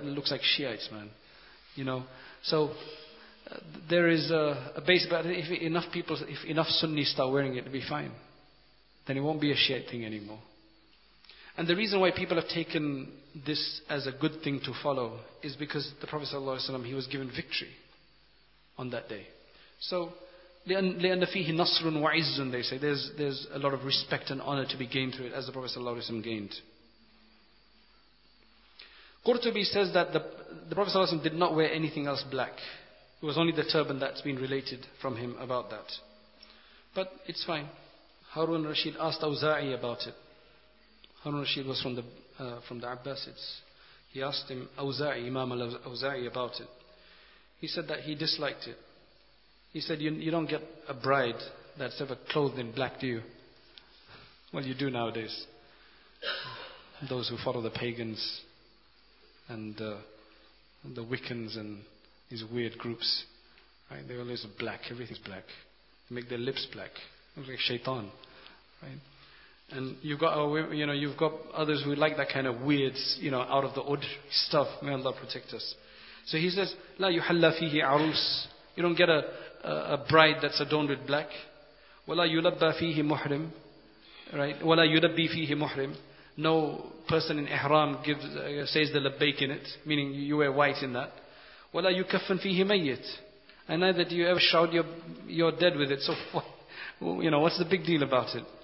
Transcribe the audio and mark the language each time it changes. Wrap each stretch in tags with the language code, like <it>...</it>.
<en>It looks like Shiites, man." You know. So there is a base, but if enough Sunnis start wearing it, it'll be fine. Then it won't be a Shiite thing anymore. And the reason why people have taken this as a good thing to follow is because the Prophet sallallahu alaihi wasallam, he was given victory on that day.</en> <ar>So لِأَنَّ فِيهِ نَصْرٌ وَعِزٌ,</ar> <en>they say. There's a lot of respect and honor to be gained through it, as the Prophet sallallahu alaihi wasallam gained. Qurtubi says that the Prophet sallallahu alaihi wasallam did not wear anything else black. It was only the turban that's been related from him about that. But it's fine. Harun Rashid asked Awza'i about it. Harun Rashid was from the Abbasids. He asked him, Awza'i, Imam al-Awza'i, about it. He said that he disliked it. He said, you don't get a bride that's ever clothed in black, do you? Well, you do nowadays. Those who follow the pagans and the Wiccans and these weird groups, right? They always are black, everything's black. They make their lips black. Look like shaitan, right? And you've got, you know, you've got others who like that kind of weird, you know, out of the ordinary stuff. May Allah protect us. So he says,</en> <ar>لَا يُحَلَّ فِيهِ عَرُوسِ.</ar> <en>You don't get a bride that's adorned with black.</en> <ar>وَلَا يُلَبَّى فِيهِ مُحْرِمْ. Right? وَلَا يُلَبِّي فِيهِ مُحْرِمْ.</ar> <en>No person in ihram says the labbaik in it, meaning you wear white in that.</en> <ar>وَلَا يُكَفَّنْ فِيهِ مَيِّتْ.</ar> <en>And neither do you ever shroud your dead with it. So, you know, what's the big deal about it?</en>